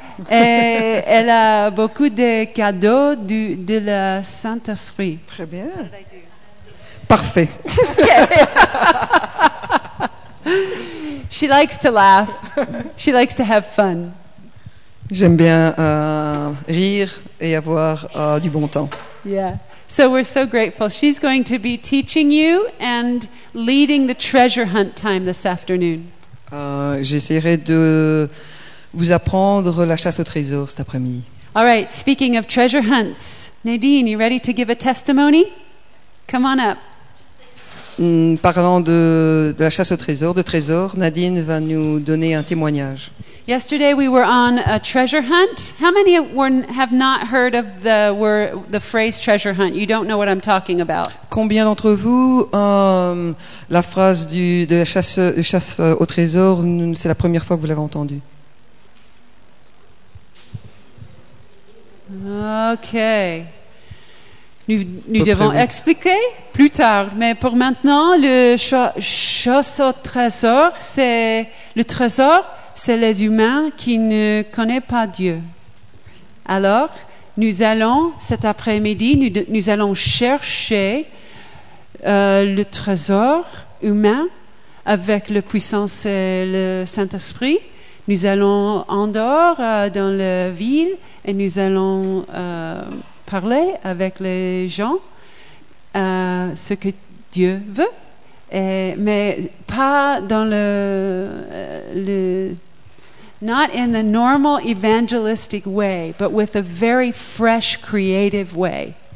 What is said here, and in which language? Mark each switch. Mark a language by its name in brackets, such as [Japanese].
[French] Et elle a beaucoup de cadeaux de la Saint-Esprit. Très bien. Parfait. [English] Okay. She likes to laugh. She likes to have fun. [French] J'aime bien rire et avoir du bon temps. [English] Yeah. So we're so grateful. She's going to be teaching you and leading the treasure hunt time this afternoon. [French] J'essaierai de vous apprendre la chasse au trésor cet après-midi. [English] All right, speaking of treasure hunts, Nadine, you ready to give a testimony? Come on up. [French] Parlant de la chasse au trésor, de trésor, Nadine va nous donner un témoignage. [English] Yesterday we were on a treasure hunt. How many have not heard of the phrase treasure hunt? You don't know what I'm talking about. [French] Combien d'entre vous la phrase de la chasse au trésor, c'est la première fois que vous l'avez entendue? Okay. Nous devons expliquer plus tard, mais pour maintenant, le chasse au trésor, c'est le trésor. C'est les humains qui ne connaissent pas Dieu. Alors, nous allons, cet après-midi, nous allons chercher le trésor humain avec la puissance et le Saint-Esprit. Nous allons en dehors, dans la ville, et nous allons parler avec les gens ce que Dieu veut. Mais pas dans le [English] not in the normal evangelistic way, but with a very fresh, creative way.